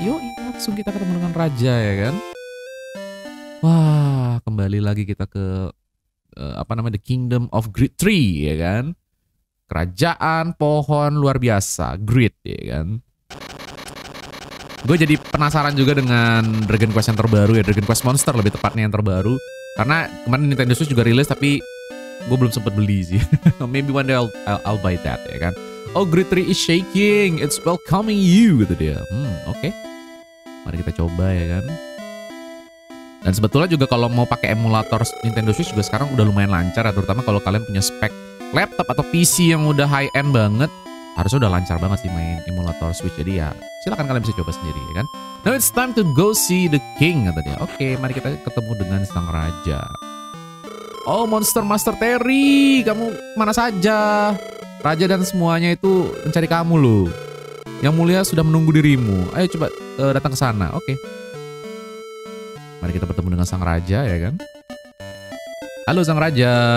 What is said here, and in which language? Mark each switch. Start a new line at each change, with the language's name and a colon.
Indonesian: Yuk langsung kita ketemu dengan Raja ya kan. Wah, kembali lagi kita ke The Kingdom of Great Tree ya kan. Kerajaan pohon luar biasa, Great ya kan. Gue jadi penasaran juga dengan Dragon Quest yang terbaru ya, Dragon Quest Monster lebih tepatnya yang terbaru. Karena kemarin Nintendo Switch juga rilis, tapi gue belum sempat beli sih.
English: Maybe one day I'll buy that
Indonesian: ya kan.
English: Oh, Great Tree is shaking, it's welcoming you,
Indonesian: gitu dia. Oke. Okay. Mari kita coba ya kan. Dan sebetulnya juga kalau mau pakai emulator Nintendo Switch juga sekarang udah lumayan lancar ya. Terutama kalau kalian punya spek laptop atau PC yang udah high-end banget, harusnya udah lancar banget sih main emulator Switch. Jadi ya silakan kalian bisa coba sendiri ya kan.
English: Now it's time to go see the king,
Indonesian: kata dia. Oke, mari kita ketemu dengan sang raja. Oh, Monster Master Terry, kamu mana saja? Raja dan semuanya itu mencari kamu loh. Yang mulia sudah menunggu dirimu. Ayo coba datang ke sana. Oke. Mari kita bertemu dengan sang raja ya kan. Halo sang raja.